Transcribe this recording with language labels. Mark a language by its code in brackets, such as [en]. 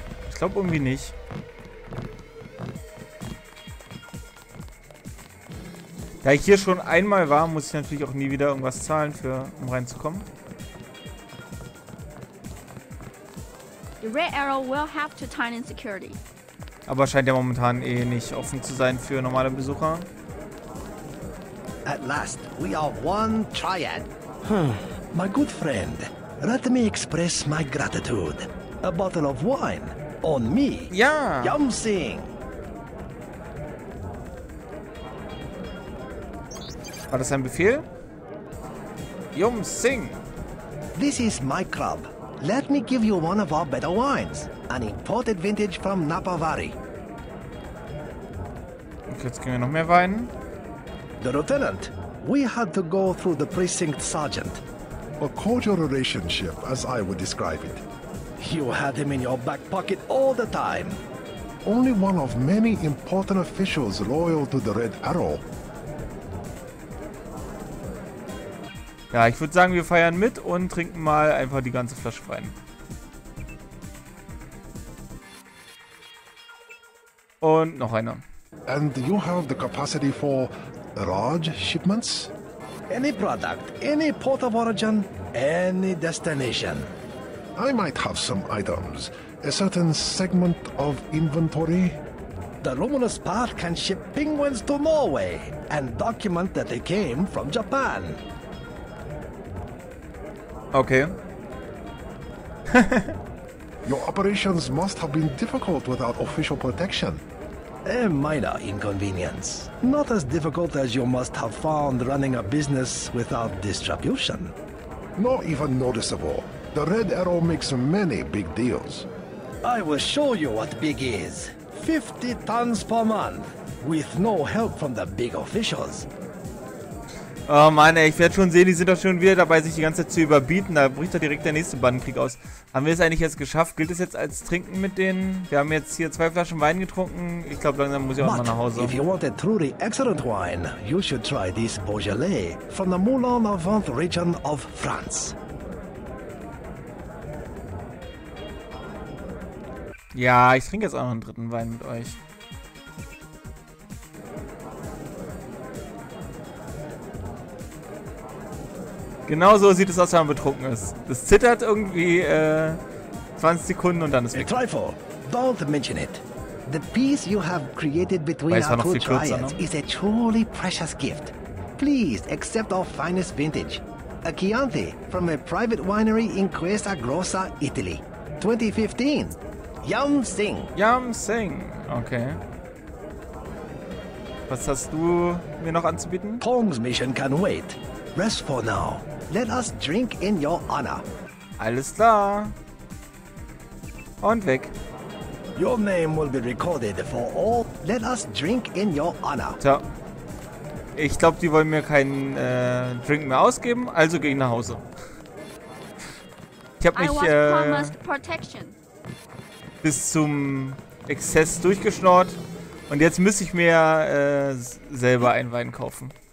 [de] Ich glaube irgendwie nicht. Da ich hier schon einmal war, muss ich natürlich auch nie wieder irgendwas zahlen, für, um reinzukommen. [en] The Red Arrow will have to turn in security. [de] Aber scheint ja momentan eh nicht offen zu sein für normale Besucher. [en] At last, we are one triad. My good friend, let me express my gratitude. A bottle of wine on me. [de] Ja. [yue] Yum Sing. [de] War das ein Befehl? Yum Sing. [en] This is my club. Let me give you one of our better wines. An imported vintage from Napa Valley. [de] Jetzt können wir noch mehr weinen. [en] The Lieutenant, we had to go through the precinct sergeant. A cordial relationship, as I would describe it. You had him in your back pocket all the time. Only one of many important officials loyal to the Red Arrow. [de] Ja, ich würde sagen, wir feiern mit und trinken mal einfach die ganze Flasche rein. Und noch einer. [en] And you have the capacity for large shipments? Any product, any port of origin, any destination. I might have some items, a certain segment of inventory. The Luminous Path can ship penguins to Norway and document that they came from Japan. Okay. Your operations must have been difficult without official protection. A minor inconvenience. Not as difficult as you must have found running a business without distribution. Not even noticeable. The Red Arrow makes many big deals. I will show you what big is. 50 tons per month, with no help from the big officials. [de] Oh Mann, ey, ich werde schon sehen, die sind doch schon wieder dabei, sich die ganze Zeit zu überbieten. Da bricht doch direkt der nächste Bandenkrieg aus. Haben wir es eigentlich jetzt geschafft? Gilt es jetzt als Trinken mit denen? Wir haben jetzt hier 2 Flaschen Wein getrunken. Ich glaube, langsam muss ich auch mal nach Hause. [en] If you want a truly excellent wine, you should try this Beaujolais from the Moulin-Avant region of France. [de] Ja, ich trinke jetzt auch noch einen dritten Wein mit euch. Genau so sieht es aus, wenn man betrunken ist. Das zittert irgendwie 20 Sekunden und dann ist weg. [en] A trifle. Don't mention it. The peace you have created between our two triads is a truly precious gift. Please accept our finest vintage. A Chianti from a private winery in Cuesa Grossa, Italy. 2015. Yum Sing. Yum Sing. Okay. [de] Was hast du mir noch anzubieten? [en] Tong's mission can wait. Rest for now. Let us drink in your honor. [de] Alles klar. Und weg. [en] Your name will be recorded for all. Let us drink in your honor. [de] Tja. Ich glaube, die wollen mir keinen Drink mehr ausgeben, also gehe ich nach Hause. Ich habe mich bis zum Exzess durchgeschnort und jetzt müsste ich mir selber einen Wein kaufen.